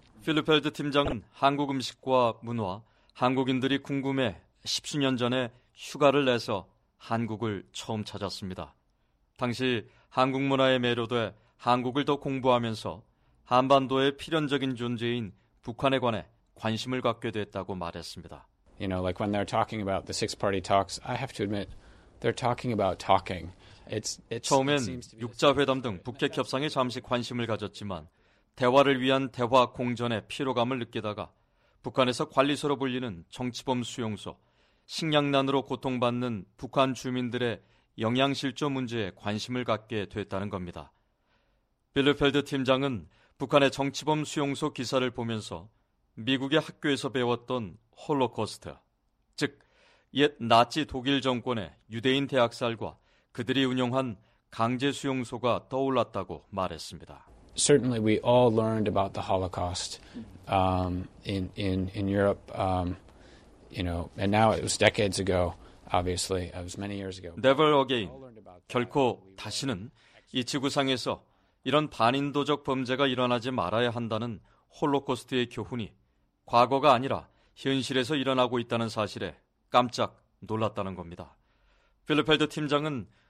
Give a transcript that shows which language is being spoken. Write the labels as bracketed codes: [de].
[ko] 빌러펠드 팀장은 한국 음식과 문화, 한국인들이 궁금해 십수년 전에 휴가를 내서 한국을 처음 찾았습니다. 당시 한국 문화에 매료돼 한국을 더 공부하면서 한반도의 필연적인 존재인 북한에 관해 관심을 갖게 됐다고 말했습니다. [en] You know, like when they're talking about the six-party talks, I have to admit, they're talking about talking. It's [ko] 처음엔 육자회담 등 북핵 협상에 잠시 관심을 가졌지만 대화를 위한 대화 공전의 피로감을 느끼다가 북한에서 관리소로 불리는 정치범 수용소, 식량난으로 고통받는 북한 주민들의 영양실조 문제에 관심을 갖게 됐다는 겁니다. 빌러펠드 팀장은 북한의 정치범 수용소 기사를 보면서 미국의 학교에서 배웠던 홀로코스트, 즉 옛 나치 독일 정권의 유대인 대학살과 그들이 운영한 강제 수용소가 떠올랐다고 말했습니다. [en] Certainly we all learned about the Holocaust in Europe and now it was decades ago obviously it was many years ago. Never again. [ko] 결코 다시는 이 지구상에서 이런 반인도적 범죄가 일어나지 말아야 한다는 홀로코스트의 교훈이 과거가 아니라 현실에서 일어나고 있다는 사실에 깜짝 놀랐다는 겁니다. 빌러펠드 팀장은